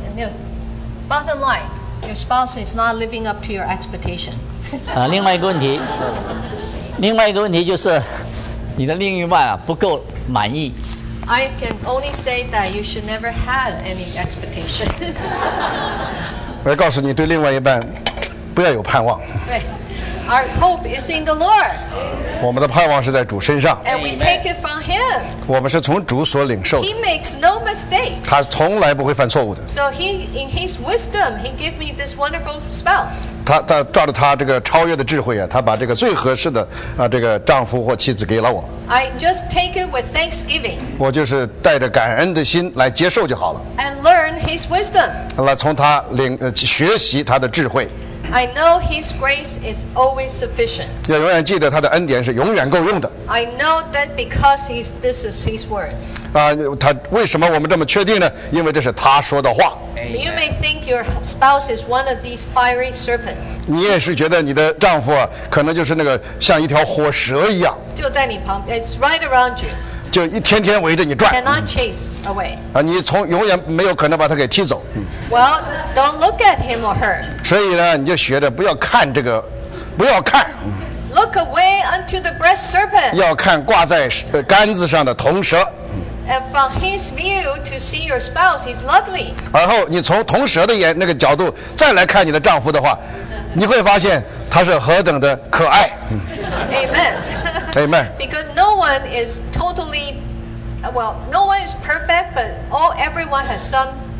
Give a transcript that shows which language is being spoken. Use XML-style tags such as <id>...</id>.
<en>You know, bottom line, your spouse is not living up to your expectation.</en> <zh>另外一个问题，另外一个问题就是你的另一半啊不够满意。</zh> <en>I can only say that you should never have any expectation.</en> <zh>我要告诉你，对另外一半不要有盼望。</zh> <en>对 ，Our hope is in the Lord.</en> <zh>我们的盼望是在主身上。</zh> <en>And we take it from Him.</en> <zh>我们是从主所领受的。</zh> <en>He makes no mistake.</en> <zh>他从来不会犯错误的。</zh> <en>So He, in His wisdom, He gave me this wonderful spouse.</en> <zh>他照着他这个超越的智慧啊，他把这个最合适的啊这个丈夫或妻子给了我。</zh> <en>I just take it with thanksgiving.</en> <zh>我就是带着感恩的心来接受就好了。</zh> <en>And learn His wisdom.</en> <zh>来从他领学习他的智慧。</zh> <en>I know His grace is always sufficient.</en> <zh>要永远记得他的恩典是永远够用的。</zh> <en>I know that because He's, this is His words.</en> <zh>他为什么我们这么确定呢？因为这是他说的话。</zh> <en>Amen. You may think your spouse is one of these fiery serpents.</en> <zh>你也是觉得你的丈夫啊，可能就是那个像一条火蛇一样。就在你旁边</zh> <en>，it's right around you.</en> <zh>就一天天围着你转。</zh> <en>Cannot chase away.</en> <zh>你从永远没有可能把他给踢走。</zh> <en>Well, don't look at him or her.</en> <zh>所以呢，你就学着不要看这个，不要看。</zh> <en>Look away unto the breast serpent.</en> <zh>要看挂在杆子上的铜蛇。</zh> <en>And from his view to see your spouse, he's lovely.</en> <zh>而后你从铜蛇的眼那个角度再来看你的丈夫的话，你会发现他是何等的可爱。</zh> <en>Amen. Amen. Because no one is totally, well, no one is perfect, but all everyone has some.</en>